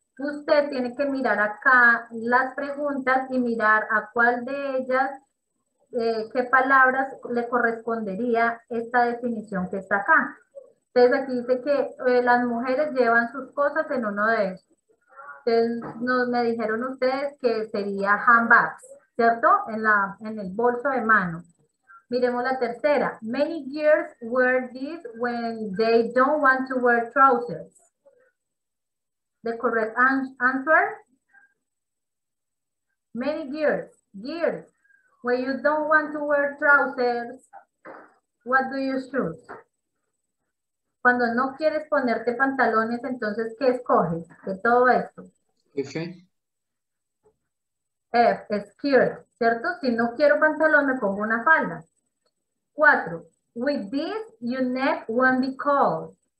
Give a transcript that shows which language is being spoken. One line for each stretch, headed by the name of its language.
Spanish: Usted tiene que mirar acá las preguntas y mirar a cuál de ellas, qué palabras le correspondería esta definición que está acá. Entonces aquí dice que las mujeres llevan sus cosas en uno de esos. Entonces me dijeron ustedes que sería handbags, ¿cierto? En el bolso de mano. Miremos la tercera.
English: Many girls wear this when they don't want to wear trousers. The correct answer? Many girls. Girls. When you don't want to wear trousers, what do you choose?
Spanish: Cuando no quieres ponerte pantalones, entonces, ¿qué escoges de todo esto? F. Skirt. ¿Cierto? Si no quiero pantalón, me pongo una falda.
English: 4. With this, your neck won't be cold.